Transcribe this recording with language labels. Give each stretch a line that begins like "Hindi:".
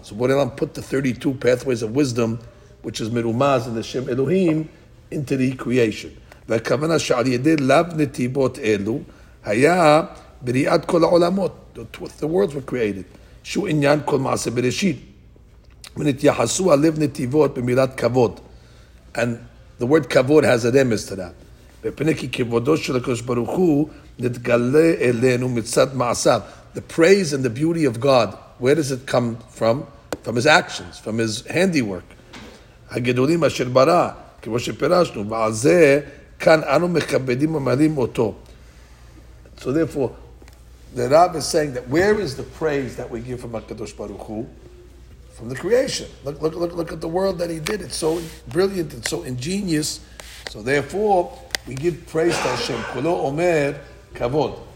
English: So
Hebrew: בוא נלם
English: put the 32 pathways of wisdom, which is מרומז in the שם Elohim, into the creation.
Hebrew: והכוונה שעל ידי לב נתיבות אלו, היה בריאת כל העולמות,
English: the worlds were created,
Hebrew: שהוא עניין כל מעשה בראשית. ונתייחסו הלב נתיבות במילת כבוד.
English: And the word כבוד has a remez to that.
Hebrew: בפני כי כבודו של הקדוש ברוך הוא נתגלה אלינו מצד מעשיו.
English: The praise and the beauty of God, where does it come from? From his actions, from his handiwork.
Hebrew: הגדולים אשר ברא, כמו שפירשנו, ועל זה כאן אנו מכבדים ומעלים אותו.
English: So therefore, the Rav is saying that where is the praise that we give from HaKadosh Baruch Hu? From the creation. Look at the world that he did. It's so brilliant and so ingenious. So therefore, we give praise to Hashem.
Hebrew: Kulo omer kavod.